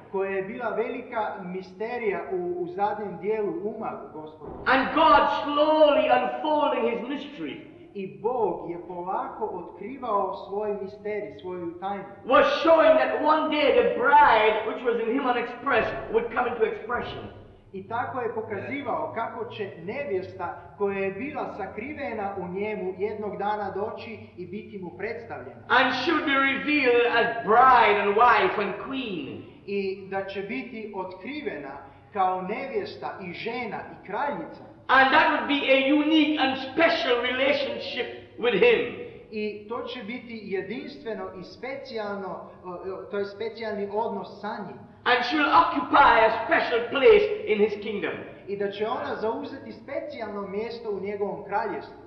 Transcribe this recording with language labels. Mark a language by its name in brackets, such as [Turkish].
[Bosnian] Koja je bila velika misterija u zadnjem dijelu uma Gospoda. [English] And God slowly unfolding his mystery. [Bosnian] I Bog je polako otkrivao svoj misterij, svoju tajnu. [English] Was showing that one day the bride which was in him unexpressed would come into expression. [Bosnian] I tako je pokazivao kako će nevjesta koja je bila sakrivena u njemu jednog dana doći i biti mu predstavljena. [English] And should be revealed as bride and wife and queen. [Bosnian] I da će biti otkrivena kao nevjesta i žena i kraljica. [English] And that would be a unique and special relationship with him. [Bosnian] I to će biti jedinstveno i specijalno, to je specijalni odnos sa njim. [English] And she'll occupy a special place in his kingdom. [Bosnian] I da će ona zauzeti specijalno mjesto u njegovom kraljestvu.